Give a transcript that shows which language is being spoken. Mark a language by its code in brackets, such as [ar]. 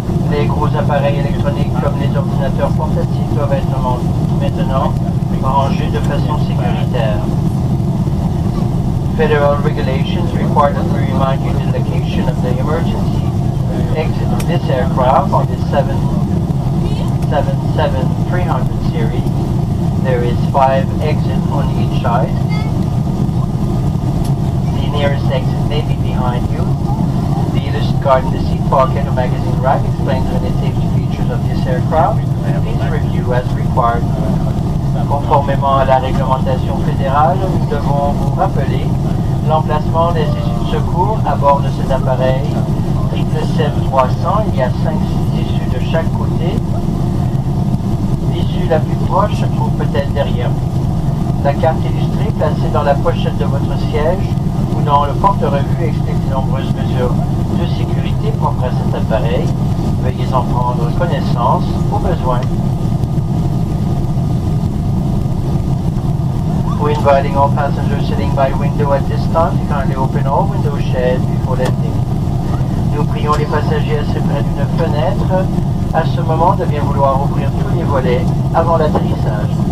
[fr] Les gros appareils électroniques comme les ordinateurs portatifs doivent être maintenant rangés de façon sécuritaire. [en] Federal regulations require that we remind you of the location of the emergency exit of this aircraft on the 777-300 series. There is 5 exits on each side. The nearest exit may be behind you. The discard in the seat pocket or magazine rack explains the safety features of this aircraft. Please review as required. [fr] Conformément à la réglementation fédérale, nous devons vous rappeler l'emplacement des issues de secours à bord de cet appareil. Triple 7-300, il y a 5 issues de chaque côté. L'issue la plus proche se trouve peut-être derrière. La carte illustrée placée dans la pochette de votre siège ou dans le porte-revue explique de nombreuses mesures de sécurité propres à cet appareil. Veuillez en prendre connaissance au besoin. [en] We're inviting all passengers sitting by window at this time to kindly open all window shades before landing. [fr] Nous prions les passagers assis près d'une fenêtre à ce moment de bien vouloir ouvrir tous les volets avant l'atterrissage.